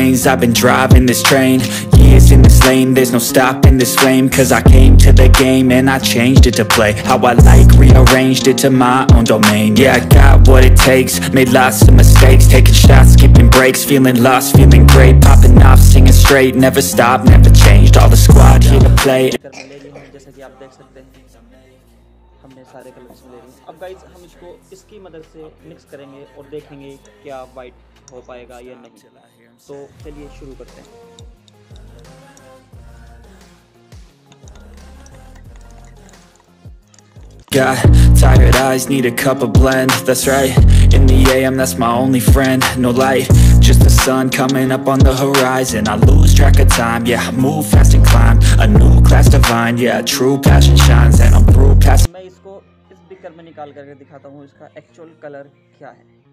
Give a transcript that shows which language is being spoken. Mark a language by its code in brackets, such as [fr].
[en] I've been driving this train, years in this lane. There's no stopping this flame, 'cause I came to the game and I changed it to play how I like, rearranged it to my own domain. Yeah, I got what it takes, made lots of mistakes, taking shots, skipping breaks, feeling lost, feeling great, popping off, singing straight, never stopped, never changed, all the squad here to play. [hi] हमने सारे colours ले लिए। अब guys हम इसको इसकी मदद से मिक्स करेंगे और देखेंगे क्या वाइट हो पाएगा या नहीं। तो चलिए शुरू करते हैं। [en] Got tired eyes, need a cup of blend. That's right, in the AM, that's my only friend. No light, just the sun coming up on the horizon. I lose track of time, yeah, I move fast and climb. A new class divine, yeah, true passion shines. And I'm through past. [hi] मैं इसको इस beaker में निकाल करके दिखाता हूँ इसका actual colour क्या है।